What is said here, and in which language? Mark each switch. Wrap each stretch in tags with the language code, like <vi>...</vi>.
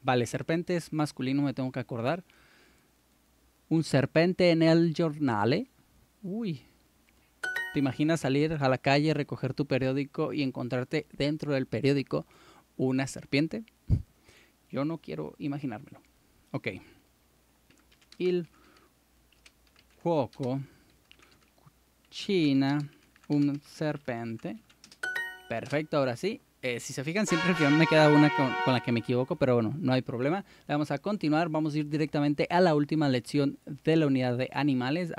<es>Vale, serpente es masculino, me tengo que acordar. Un serpente en el giornale. Uy. ¿Te imaginas salir a la calle, recoger tu periódico y encontrarte dentro del periódico una serpiente? Yo no quiero imaginármelo. Ok.</es> <it>Il cuoco cucina un serpente.</it> <es>Perfecto, ahora sí. Si se fijan, siempre al final me queda una con la que me equivoco, pero bueno, no hay problema. Vamos a continuar, vamos a ir directamente a la última lección de la unidad de animales.</es>